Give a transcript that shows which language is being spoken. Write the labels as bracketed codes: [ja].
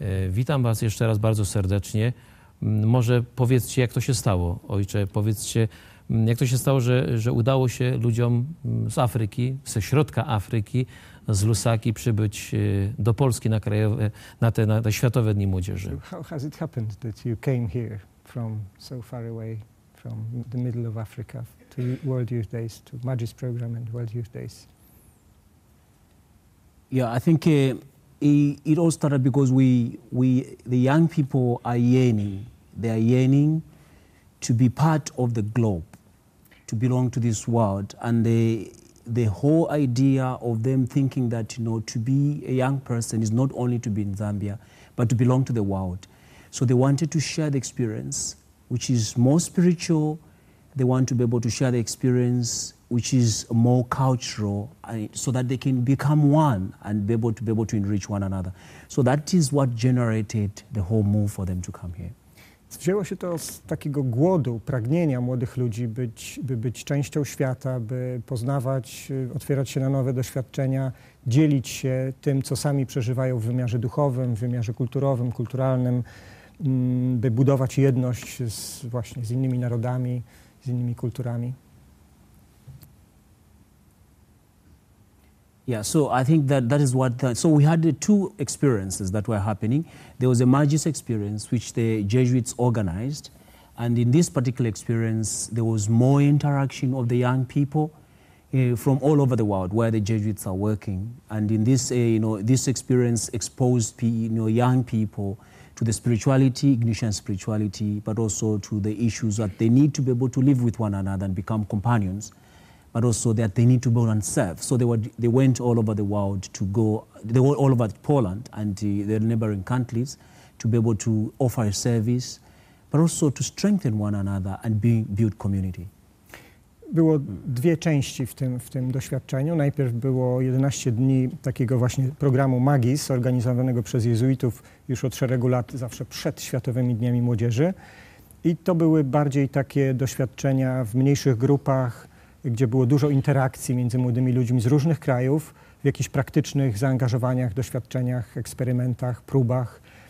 [pl] Witam Was jeszcze raz bardzo serdecznie. Może powiedzcie, jak to się stało, ojcze, powiedzcie, jak to się stało, że udało się ludziom z Afryki, ze środka Afryki, z Lusaki przybyć do Polski na krajowe, na Światowe Dni Młodzieży? [en] How has it happened that you came here from so far away, from the middle of Africa, to World Youth Days, to Magis Program and World Youth Days? Yeah, I think it all started because we the young people are yearning. They are yearning to be part of the globe, to belong to this world. And the whole idea of them thinking that, you know, to be a young person is not only to be in Zambia, but to belong to the world. So they wanted to share the experience, which is more spiritual. They want to be able to share the experience, which is more cultural, so that they can become one and be able to enrich one another. So that is what generated the whole move for them to come here. [pl] Wzięło się to z takiego głodu, pragnienia młodych ludzi, by być częścią świata, by poznawać, otwierać się na nowe doświadczenia, dzielić się tym, co sami przeżywają w wymiarze duchowym, w wymiarze kulturowym, kulturalnym, by budować jedność z innymi narodami, z innymi kulturami. [en] Yeah, so I think that is what. So we had two experiences that were happening. There was a Magis experience which the Jesuits organized, and in this particular experience, there was more interaction of the young people from all over the world where the Jesuits are working. And in this, this experience exposed young people to the spirituality, Ignatian spirituality, but also to the issues that they need to be able to live with one another and become companions. But also that they need to build and serve. So they went all over the world to go. They were all over Poland and their neighboring countries to be able to offer a service, but also to strengthen one another and build community. [pl] Było dwie części w tym doświadczeniu. Najpierw było 11 dni takiego właśnie programu Magis, organizowanego przez jezuitów już od szeregu lat, zawsze przed Światowymi Dniami Młodzieży. I to były bardziej takie doświadczenia w mniejszych grupach, gdzie było dużo interakcji między młodymi ludźmi z różnych krajów, w jakichś praktycznych zaangażowaniach, doświadczeniach, eksperymentach, próbach.